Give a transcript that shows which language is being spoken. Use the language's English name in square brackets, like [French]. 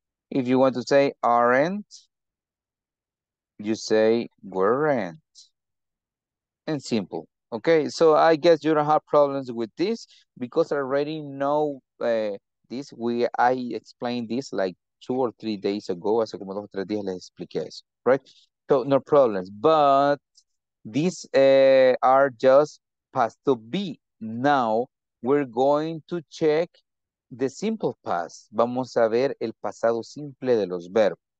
[English] If you want to say aren't, you say weren't. And simple. Okay, so I guess you don't have problems with this because I already know this. I explained this like 2 or 3 days ago. [Spanish] Hace como 2 o 3 días les expliqué eso, [English] right? So no problems. But these are just past to be. Now we're going to check the simple past. [Spanish] Vamos a ver el pasado simple de los verbos.